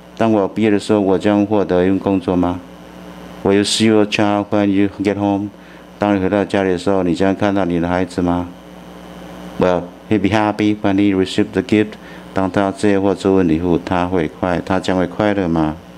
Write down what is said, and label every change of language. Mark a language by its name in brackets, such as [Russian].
[Chinese] 当我毕业的时候，我将获得一份工作吗？ [English] Will you see your child when you get home? [Chinese] 当你回到家里的时候，你将看到你的孩子吗？ [English] Will he be happy when he receives the gift? [Chinese] 当他接获这份礼物，他将会快乐吗？